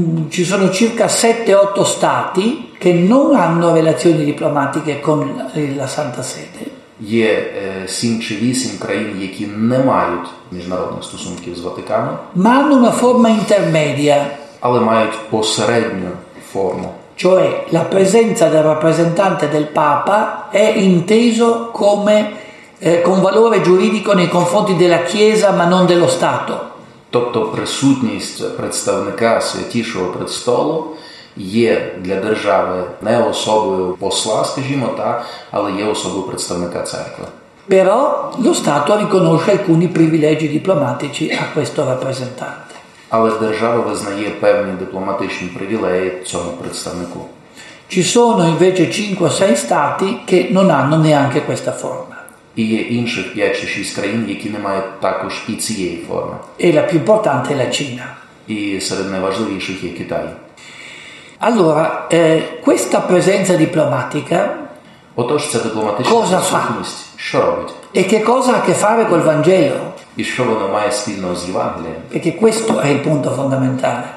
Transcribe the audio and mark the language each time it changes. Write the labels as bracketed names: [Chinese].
[Italian] Ci sono circa 7-8 stati che non hanno relazioni diplomatiche con la Santa Sede. [Ukrainian] Є 7 чи 8 країн, які не мають міжнародних стосунків з Ватиканом. [Italian] Ma hanno una forma intermedia. [Ukrainian] Але мають посередню форму. [Italian] Cioè la presenza del rappresentante del Papa è inteso come con valore giuridico nei confronti della Chiesa ma non dello Stato. [Ukrainian] Тобто присутність представника Святішого Престолу є для держави не особою посла, скажімо, та, але є особою представника церкви. [Italian] Però lo Stato riconosce alcuni privilegi diplomatici a questo rappresentante. [Ukrainian] Але держава визнає певні дипломатичні привілеї цьому представнику. [Italian] Ci sono invece 5-6 stati che non hanno neanche questa forma. [Ukrainian] і є інших 5 чи 6 країн, які не мають також і цієї форми. [Italian] І la più importante è la Cina. [Ukrainian] І серед найважливіших є Китай. [Italian] Allora, questa presenza diplomatica, [Ukrainian] отож, ця дипломатична присутність, що робить? [Italian] E che cosa ha a che fare col Vangelo? [Ukrainian] І що воно має спільно з Євангелієм? [Italian] Perché questo è il punto fondamentale.